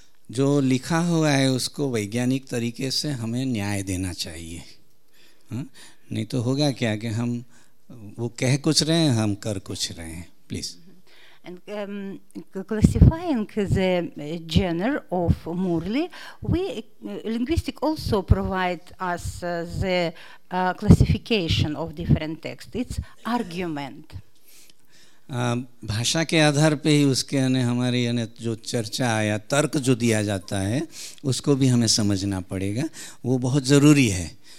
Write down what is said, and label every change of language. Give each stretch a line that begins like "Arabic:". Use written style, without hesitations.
Hindi: जो लिखा हुआ है उसको वैज्ञानिक तरीके से हमें न्याय देना चाहिए, हा? नहीं तो होगा क्या कि हम वो कह कुछ रहे हैं, हम कर कुछ रहे हैं. Please.
English: And classifying the genre of Murli, we linguistic also provide us the classification of different texts. It's argument.
Hindi: भाषा के आधार पे ही उसके यानी हमारी यानी जो चर्चा या तर्क जो दिया जाता है उसको भी हमें समझना पड़ेगा, वो बहुत ज़रूरी है.